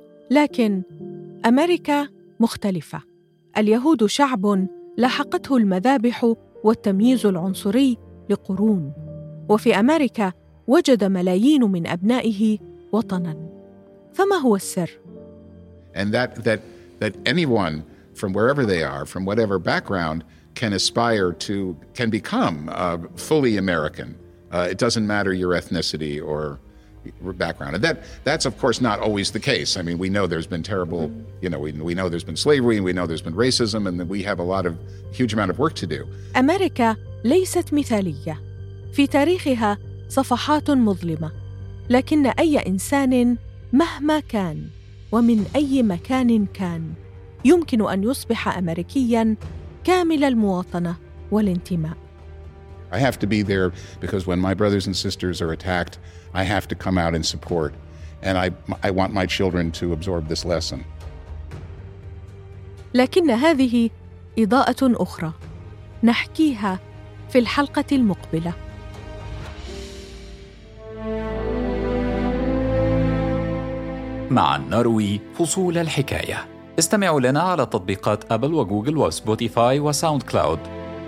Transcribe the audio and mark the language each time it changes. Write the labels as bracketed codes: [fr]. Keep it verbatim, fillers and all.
[ar] لكن أمريكا مختلفة. اليهود شعب لحقته المذابح والتمييز العنصري لقرون، وفي أمريكا وجد ملايين من أبنائه وطناً. فما هو السر؟ [en] And that that that anyone from wherever they are, from whatever background, can aspire to, can become uh, fully American. Uh, it doesn't matter your ethnicity or background. And that that's of course not always the case. I mean, we know there's been terrible, you know, we we know there's been slavery, and we know there's been racism, and we have a lot of huge amount of work to do. [ar] أمريكا ليست مثالية. في تاريخها صفحات مظلمة، لكن أي إنسان مهما كان ومن أي مكان كان يمكن أن يصبح أمريكياً كامل المواطنة والانتماء. [en] I have to be there because when my brothers and sisters are attacked, I have to come out and support, and I I want my children to absorb this lesson. [ar] لكن هذه إضاءة أخرى نحكيها في الحلقة المقبلة. مع النروي فصول الحكاية. استمعوا لنا على تطبيقات أبل وجوجل وسبوتيفاي وساوند كلاود.